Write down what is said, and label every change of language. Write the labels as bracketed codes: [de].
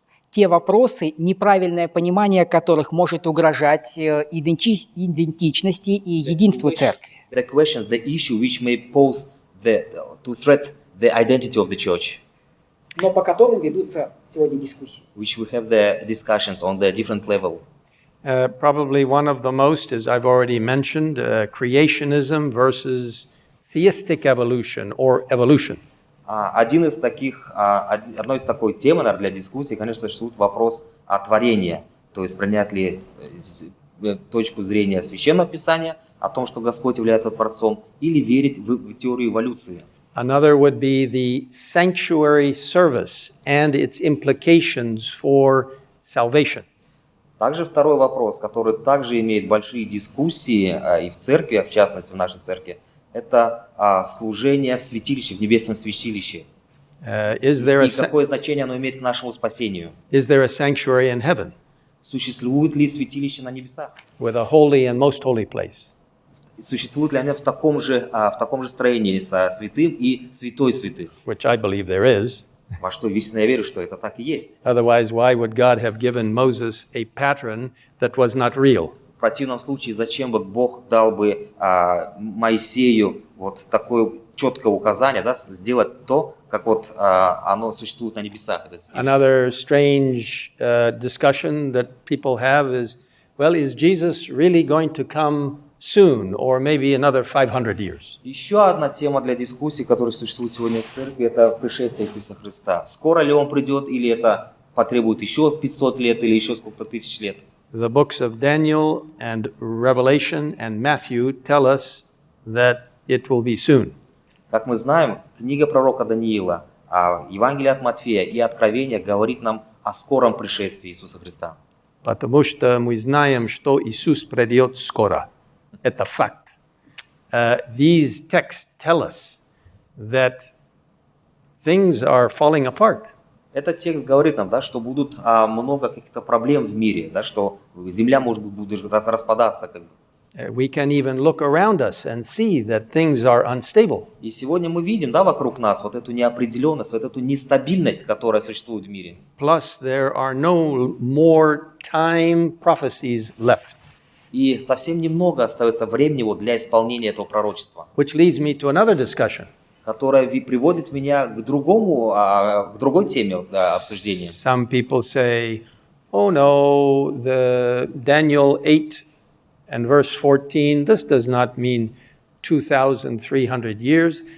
[ru] Те вопросы, неправильное понимание которых может угрожать идентичности и единству церкви. [en] The questions, the issue which may pose to threat the identity of the church. [ru] Но по которым ведутся сегодня дискуссии. [en] Which we have the discussions on the different level. Probably one of the most, as I've already mentioned, creationism versus theistic evolution or evolution. [ru] Одной из такой темы, наверное, для дискуссии, конечно, существует вопрос о творении. То есть принять ли точку зрения Священного Писания о том, что Господь является Творцом, или верить в теорию эволюции. [en] Another would be the sanctuary service and its implications for salvation. [ru] Также второй вопрос, который также имеет большие дискуссии и в церкви, в частности в нашей церкви, это служение в святилище, в небесном святилище. Какое значение оно имеет к нашему спасению? [en] Is there a sanctuary in heaven? [ru] Существует ли святилище на небесах? [en] With a holy and most holy place. [ru] Существует ли оно в таком же строении со святым и святой святых? [en] Which I believe there is. [ru] Во что истинно я верю, что это так и есть. [en] Otherwise, why would God have given Moses a pattern that was not real? [ru] В противном случае, зачем бы Бог дал бы Моисею вот такое четкое указание, да, сделать то, как вот оно существует на небесах? [en] Another strange discussion that people have is, well, is Jesus really going to come soon, or maybe another 500 years. [ru] Еще одна тема для дискуссии, которая существует сегодня в церкви, это пришествие Иисуса Христа. Скоро ли он придет, или это потребует еще 500 лет, или еще сколько-то тысяч лет? [en] The books of Daniel and Revelation and Matthew tell us that it will be soon. [ru] Как мы знаем, книга пророка Даниила, Евангелие от Матфея и Откровение говорит нам о скором пришествии Иисуса Христа. Потому что мы знаем, что Иисус придет скоро. Это факт. [en] These texts tell us that things are falling apart. [ru] Этот текст говорит нам, да, что будут много каких-то проблем в мире, да, что земля может быть будет распадаться, как бы. [en] We can even look around us and see that things are unstable. [ru] И сегодня мы видим, да, вокруг нас вот эту неопределенность, вот эту нестабильность, которая существует в мире. [en] Plus, there are no more time prophecies left. [ru] И совсем немного остается времени вот для исполнения этого пророчества. [en] Which leads me to another discussion. [ru] Которая приводит меня к другой теме обсуждения. [en] Some people say, oh no, the Daniel 8 and verse 14, this does not mean 2300 years.